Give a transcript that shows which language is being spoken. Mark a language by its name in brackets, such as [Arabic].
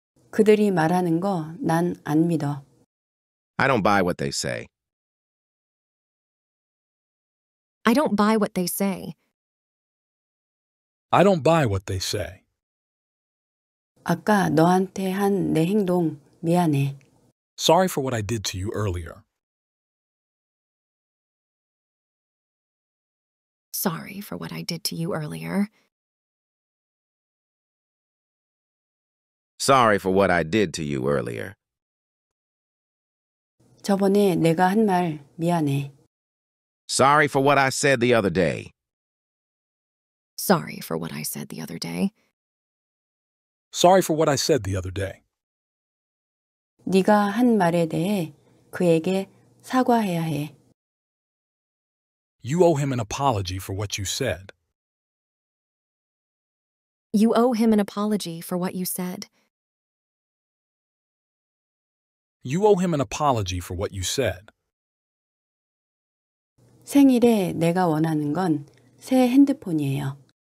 [Korean] 그들이 말하는 거 난 안 믿어. [English] I don't buy what they say. I don't buy what they say. I don't buy what they say. [Korean] 아까 너한테 한 내 행동 미안해. [English] Sorry for what I did to you earlier. Sorry for what I did to you earlier. Sorry for what I did to you earlier. [Korean] 저번에 내가 한 말 미안해. [English] Sorry for what I said the other day. Sorry for what I said the other day. Sorry for what I said the other day. [Korean] 네가 한 말에 대해 그에게 사과해야 해. [English] You owe him an apology for what you said. You owe him an apology for what you said. You owe him an apology for what you said. [Korean] 생일에 내가 원하는 건 새 핸드폰이에요.